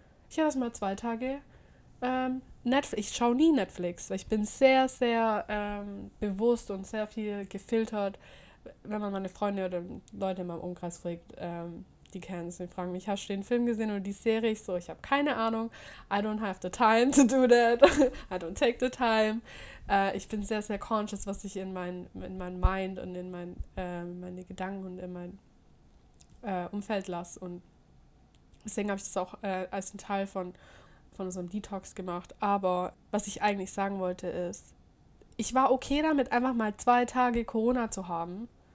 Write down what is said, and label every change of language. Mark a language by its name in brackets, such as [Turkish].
[German] Ich habe erstmal 2 Tage Netflix. Ich schaue nie Netflix, weil ich bin sehr, sehr bewusst und sehr viel gefiltert. Wenn man meine Freunde oder Leute in meinem Umkreis fragt, die kennen es, die fragen mich, hast du den Film gesehen oder die Serie? Ich so, ich habe keine Ahnung. [English] I don't have the time to do that. I don't take the time. [German] Ich bin sehr, sehr conscious, was ich in mein Mind und in meine Gedanken und in mein Umfeld lasse. Und deswegen habe ich das auch als einen Teil von unserem Detox gemacht. Aber was ich eigentlich sagen wollte, ist, ich war okay damit, einfach mal 2 Tage Corona zu haben.